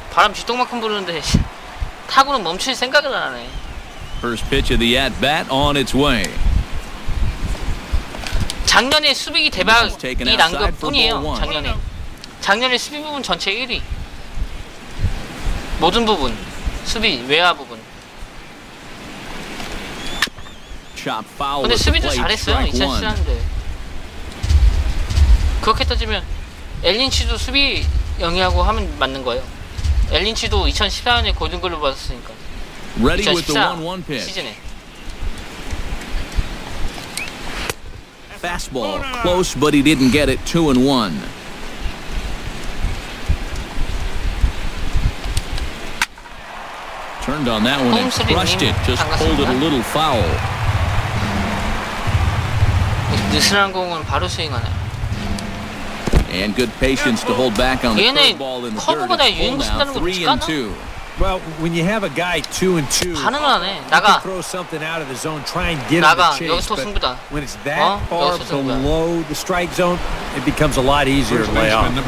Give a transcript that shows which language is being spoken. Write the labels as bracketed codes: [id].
[ko] 바람 쥐똥만큼 부르는데 타구는 멈출 생각을 안 하네. [en] First pitch of the at bat on its way. [ko] 작년에 수비기 대박이 난 것 뿐이에요. 작년에. 작년에 수비 부분 전체 1위. 모든 부분. 수비, 외야 부분. 근데 수비도 잘했어요. 2017년인데. 그렇게 따지면 엘린치도 수비 영위하고 하면 맞는 거예요. 엘린치도 2014년에 골든글로브 받았으니까. 2014 시즌에. [en] Fastball close, but he didn't get it. 2-1. [ko] 홈스리 님 반갑습니다. [en] Turned on that one and crushed it. Just pulled it a little foul. [ko] 느슨한 공은 바로 스윙하네. [en] And good patience to hold back on the third ball in the dirt. It's full now, 3-2. Well, when you have a guy 2-2, you can throw something out of the zone, try and get him to chase. But when it's that far below the strike zone, it becomes a lot easier to lay off.